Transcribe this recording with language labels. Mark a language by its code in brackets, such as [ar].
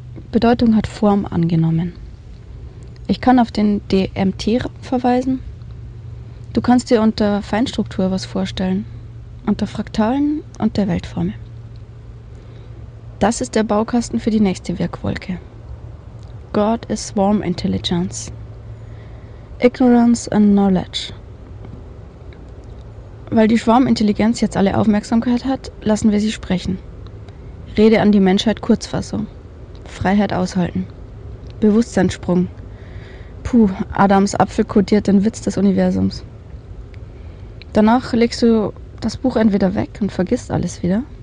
[de] Bedeutung hat Form angenommen. Ich kann auf den DMT-Raum verweisen. Du kannst dir unter Feinstruktur was vorstellen. Unter Fraktalen und der Weltformel. Das ist der Baukasten für die nächste Wirkwolke. [en] God is Swarm Intelligence. Ignorance and Knowledge. [de] Weil die Schwarmintelligenz jetzt alle Aufmerksamkeit hat, lassen wir sie sprechen. Rede an die Menschheit Kurzfassung. Freiheit aushalten. Bewusstseinssprung. Puh, Adams Apfel kodiert den Witz des Universums. Danach legst du das Buch entweder weg und vergisst alles wieder.